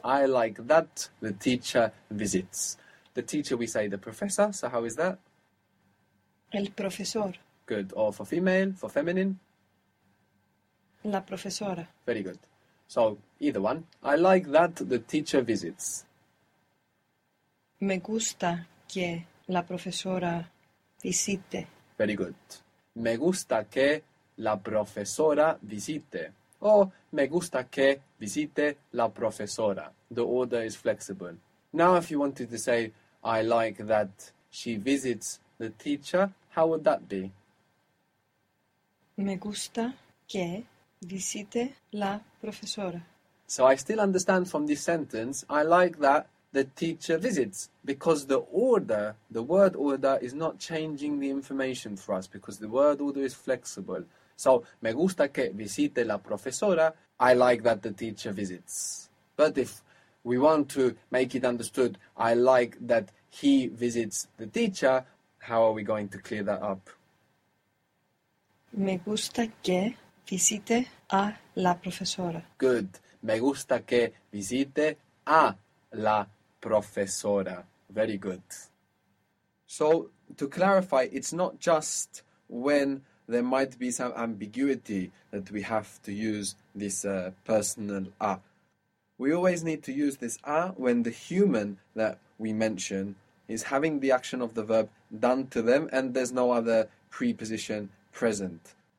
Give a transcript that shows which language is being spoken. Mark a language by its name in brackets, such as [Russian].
[English] I like that the teacher visits. The teacher, we say the professor, so how is that? [Spanish] El profesor. [English] Good. Or for female, for feminine? [Spanish] La profesora. [English] Very good. So, either one. I like that the teacher visits. [Spanish] Me gusta que la profesora visite. [English] Very good. [Spanish] Me gusta que la profesora visite. Oh, me gusta que visite la profesora. [English] The order is flexible. Now, if you wanted to say, I like that she visits the teacher, how would that be? [Spanish] Me gusta que visite la profesora. [English] So I still understand from this sentence, I like that the teacher visits, because the order, the word order, is not changing the information for us, because the word order is flexible. [Spanish] So, me gusta que visite la profesora. [English] I like that the teacher visits. But if we want to make it understood, I like that he visits the teacher, how are we going to clear that up? [Spanish] Me gusta que visite a la profesora. [English] Good. [Spanish] Me gusta que visite a la profesora. [English] Very good. So, to clarify, it's not just when there might be some ambiguity that we have to use this personal a. We always need to use this a when the human that we mention is having the action of the verb done to them and there's no other preposition present.